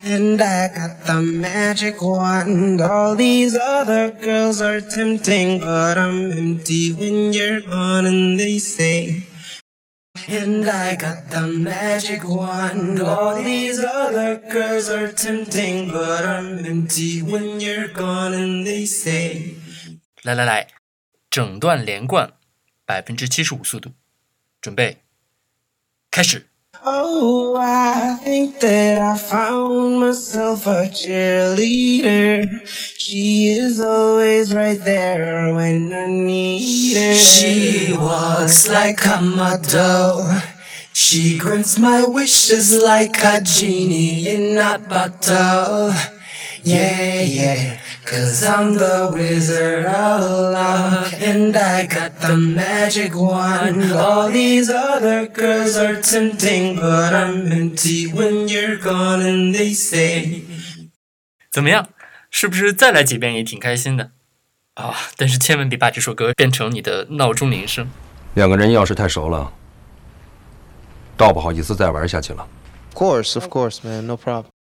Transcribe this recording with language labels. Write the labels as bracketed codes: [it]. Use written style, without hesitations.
[en] And I got the magic wand. All these other girls are tempting, but I'm empty when you're gone, and they say. And I got the magic wand. All these other girls are tempting, but I'm empty when you're gone, and they say. [zh] 来来来整段连贯 75% 速度准备开始 [en] Oh, I think that I found myself a cheerleader She is always right there when I need her She walks like a model She grants my wishes like a genie in a bottle Yeah, yeah Cause I'm the wizard of love And I got the magic wand All these other girls are tempting But I'm empty when you're gone and they say [zh] 怎么样？是不是再来几遍也挺开心的？啊、哦，但是千万别把这首歌变成你的闹钟铃声。两个人要是太熟了，倒不好意思再玩下去了。 [en] Of course, man, no problem.